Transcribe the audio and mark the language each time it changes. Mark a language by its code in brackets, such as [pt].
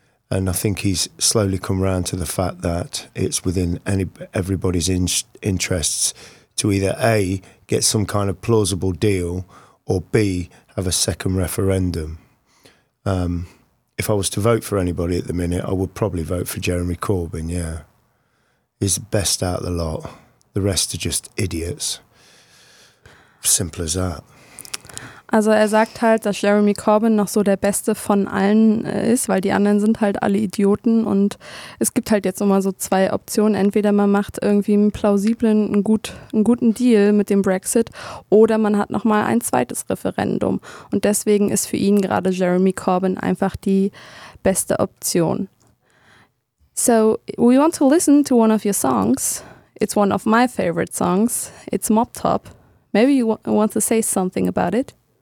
[en] And I think he's slowly come round to the fact that it's within everybody's interests to either A, get some kind of plausible deal, or B, have a second referendum. If I was to vote for anybody at the minute, I would probably vote for Jeremy Corbyn, yeah. He's the best out of the lot. The rest are just idiots. Simple as that. [de] Also er sagt halt, dass Jeremy Corbyn noch so der Beste von allen ist, weil die anderen sind halt alle Idioten und es gibt halt jetzt immer so zwei Optionen. Entweder man macht irgendwie einen plausiblen, einen guten Deal mit dem Brexit oder man hat nochmal ein zweites Referendum. Und deswegen ist für ihn gerade Jeremy Corbyn einfach die beste Option. [en] So we want to listen to one of your songs. It's one of my favorite songs. It's Mop Top. Maybe you want to say something about it.